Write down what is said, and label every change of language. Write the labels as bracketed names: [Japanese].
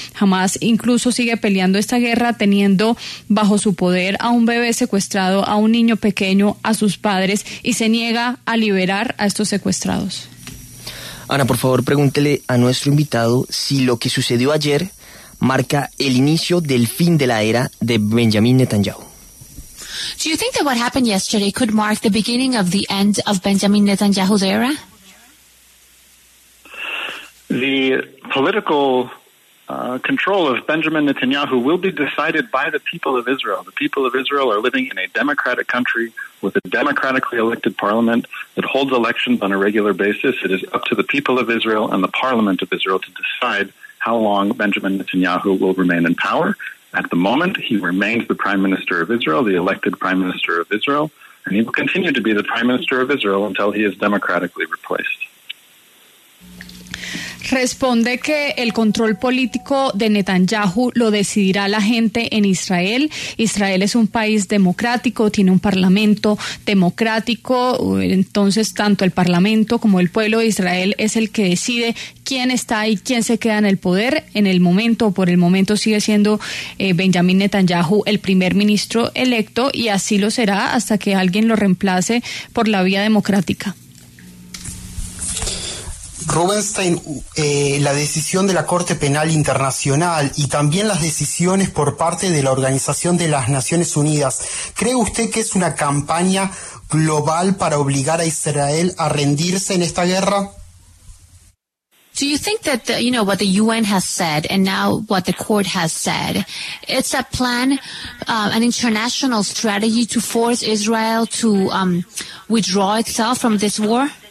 [Spanish] Hamas incluso sigue peleando esta guerra teniendo bajo su poder a un bebé secuestrado, a un niño pequeño, a sus padres, y se niega a liberar a estos secuestrados. Ana, por favor, pregúntele a nuestro invitado si lo que sucedió ayer marca el inicio del fin de la era de Benjamin Netanyahu. [English] Do you think that what happened yesterday could mark the beginning of the end of Benjamin Netanyahu's era? The political control of Benjamin Netanyahu will be decided by the people of Israel. The people of Israel are living in a democratic country with a democratically elected parliament that holds elections on a regular basis. It is up to the people of Israel and the parliament of Israel to decide how long Benjamin Netanyahu will remain in power. At the moment, he remains the prime minister of Israel, the elected prime minister of Israel, and he will continue to be the prime minister of Israel until he is democratically replaced. [Spanish] Responde que el control político de Netanyahu lo decidirá la gente en Israel. Israel es un país democrático, tiene un parlamento democrático, entonces tanto el parlamento como el pueblo de Israel es el que decide quién está y quién se queda en el poder. En el momento, por el momento, sigue siendo Benjamín Netanyahu el primer ministro electo, y así lo será hasta que alguien lo reemplace por la vía democrática. Rubenstein, la decisión de la Corte Penal Internacional y también las decisiones por parte de la Organización de las Naciones Unidas, ¿cree usted que es una campaña global para obligar a Israel a rendirse en esta guerra? [English] Do you think that the, you know, what the UN has said and now what the court has said, it's a plan, an international strategy to force Israel to withdraw itself from this war?